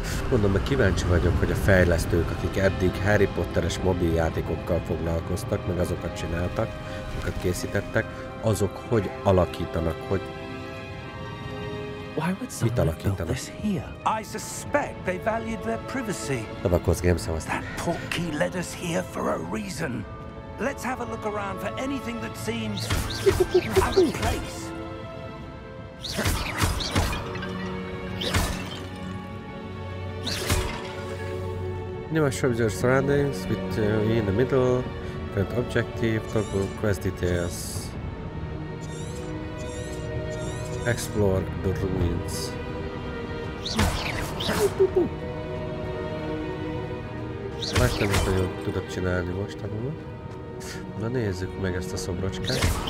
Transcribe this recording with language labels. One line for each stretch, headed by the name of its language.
Hungarian: Mondom, hogy kíváncsi vagyok, hogy a fejlesztők, akik eddig Harry Potteres mobiljátékokkal foglalkoztak, meg azokat csináltak, amiket készítettek, azok hogy alakítanak, hogy mit alakítanak?
English: I suspect they valued their privacy. That Portkey led us here for a reason. Let's have a look around for anything that seems out of place. Now show your surroundings with in the middle, current objective, toggle quest details, explore the ruins.
Hungarian: Más nem is nagyon tudok csinálni mostanában. Na nézzük meg ezt a szobrocskát.